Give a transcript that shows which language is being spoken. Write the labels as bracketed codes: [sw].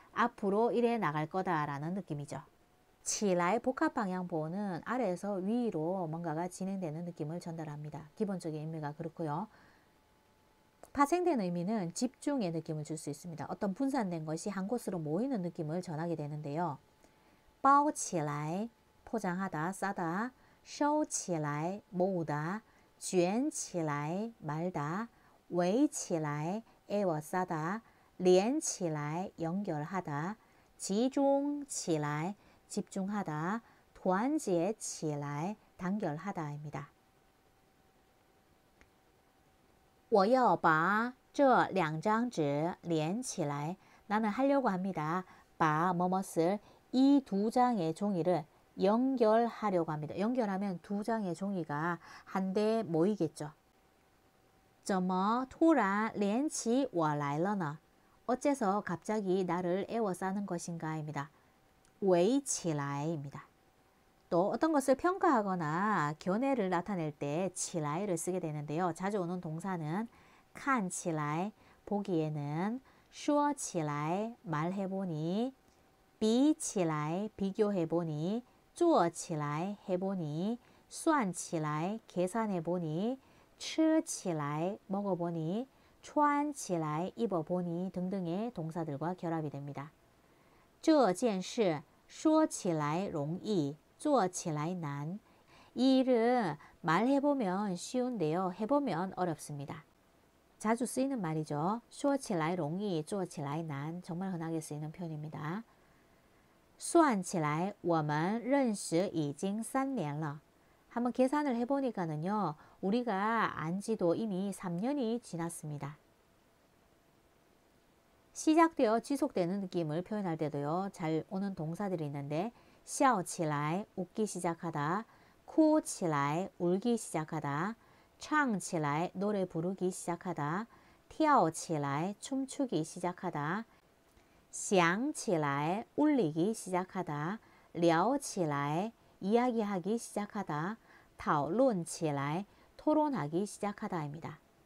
[ko] 앞으로 이래 나갈 거다라는 느낌이죠. 起来 복합 방향 보호는 아래에서 위로 뭔가가 진행되는 느낌을 전달합니다. 기본적인 의미가 그렇고요. 파생된 의미는 집중의 느낌을 줄수 있습니다. 어떤 분산된 것이 한 곳으로 모이는 느낌을 전하게 되는데요. 包起来, 포장하다, 싸다, 收起来, 모으다, 卷起来, 말다, 围起来, 에워싸다, 连起来, 연결하다, 集中起来, 집중하다, 团结起来, 단결하다입니다. [zh] 我要把这两张纸连起来。 [ko] 나는 하려고 합니다. 把 뭐뭇을 이두 장의 종이를 연결하려고 합니다. 연결하면 두 장의 종이가 한데 모이겠죠. [zh] 怎么突然连起我来了呢? [ko] 어째서 갑자기 나를 에워싸는 것인가입니다. 왜起来입니다. 또 어떤 것을 평가하거나 견해를 나타낼 때 起来를 쓰게 되는데요. 자주 오는 동사는 看起来, 보기에는, 说起来, 말해보니, 比起来, 비교해보니, 做起来, 해보니, 算起来, 계산해보니, 吃起来, 먹어보니, 穿起来, 입어보니 등등의 동사들과 결합이 됩니다. [zh] 这件事说起来容易, 做起来难. [ko] 이 일은 말해보면 쉬운데요. 해보면 어렵습니다. 자주 쓰이는 말이죠. [zh] 说起来容易, 做起来难. [ko] 정말 흔하게 쓰이는 표현입니다. [zh] 算起来我们认识已经3年了. [ko] 한번 계산을 해보니까는요, 우리가 안 지도 이미 3년이 지났습니다. 시작되어 지속되는 느낌을 표현할 때도요, 잘 오는 동사들이 있는데, 笑起来, 웃기 시작하다, 哭起来, 울기 시작하다, 唱起来, 노래 부르기 시작하다, 跳起来, 춤추기 시작하다, 想起来, 울리기 시작하다, 聊起来, 이야기하기 시작하다, 讨论起来, 토론하기 시작하다입니다.